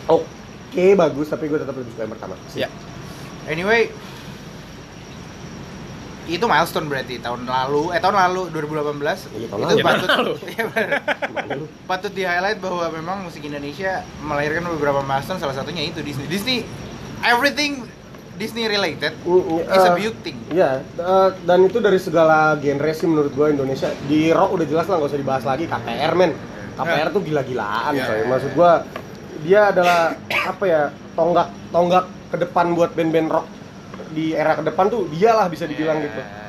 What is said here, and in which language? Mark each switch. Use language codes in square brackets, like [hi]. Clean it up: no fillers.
[id] Oke, okay, bagus tapi gue tetap lebih suka yang pertama. Iya. Yeah. Anyway, itu milestone berarti tahun lalu 2018. Iya, tahun lalu. Itu patut. patut di highlight bahwa memang musik Indonesia melahirkan beberapa milestone salah satunya itu Disney. [en] Disney everything Disney related, it's a big thing. [id] Iya, dan itu dari segala genre sih menurut gue Indonesia. Di rock udah jelas lah, gak usah dibahas lagi, KPR men. KPR tuh gila-gilaan coy. Maksud gue, dia adalah apa ya, tonggak ke depan buat band-band rock. Di era ke depan tuh dialah bisa dibilang gitu.